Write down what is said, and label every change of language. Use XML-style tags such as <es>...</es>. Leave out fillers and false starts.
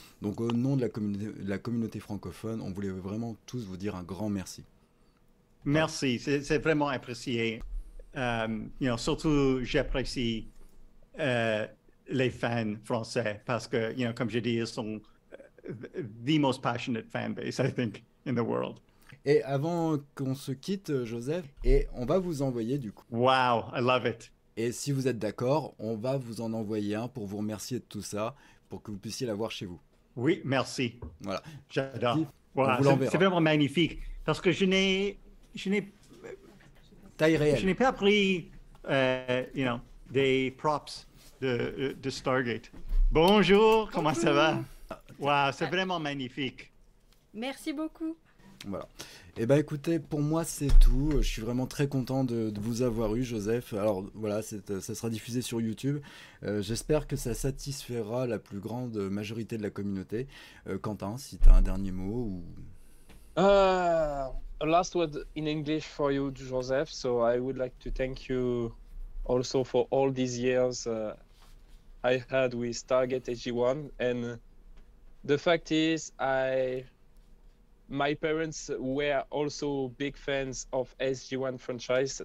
<fr>Donc, au nom de la communauté francophone, on voulait vraiment tous vous dire un grand merci. Merci, c'est vraiment apprécié. Surtout, j'apprécie les fans français parce que, comme j'ai dit, ils sont...</fr> <en>the most passionate fan base, I think, in the world.</en> <fr>Et avant qu'on se quitte, Joseph, et on va vous envoyer du coup.</fr> <en>Wow, I love it.</en> <fr>Et si vous êtes d'accord, on va vous en envoyer un pour vous remercier de tout ça, pour que vous puissiez l'avoir chez vous. Oui, merci. Voilà. J'adore. C'est vraiment magnifique parce que je n'ai taille réelle. Je n'ai pas pris, des props de Stargate. Bonjour, comment ça va? Waouh, c'est vraiment magnifique. Merci beaucoup. Voilà. Eh bien, écoutez, pour moi, c'est tout. Je suis vraiment très content de vous avoir eu, Joseph. Alors, voilà, ça sera diffusé sur YouTube. J'espère que ça satisfera la plus grande majorité de la communauté. Quentin, si tu as un dernier mot ou...</fr> <en>A last word in English for you, Joseph. So, I would like to thank you also for all these years I had with Stargate SG-1. And... the fact is, my parents were also big fans of SG-1 franchise.</en>